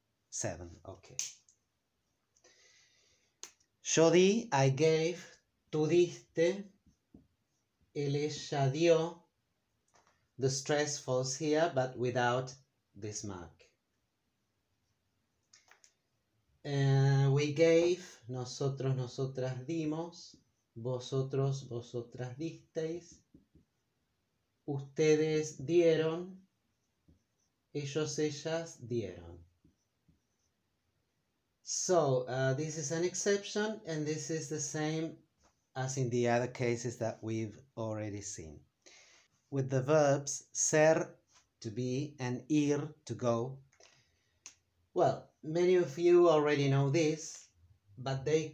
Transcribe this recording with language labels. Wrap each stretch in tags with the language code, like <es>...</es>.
<en>7. Okay.</en> <es>Yo di,</es> <en>I gave,</en> <es>tú diste, él ella dio.</es> <en>The stress falls here, but without this mark. We gave,</en> <es>nosotros, nosotras dimos, vosotros, vosotras disteis, ustedes dieron, ellos, ellas dieron.</es> <en>So, this is an exception, and this is the same as in the other cases that we've already seen. With the verbs ser, to be, and ir, to go. Well, many of you already know this, but they</en>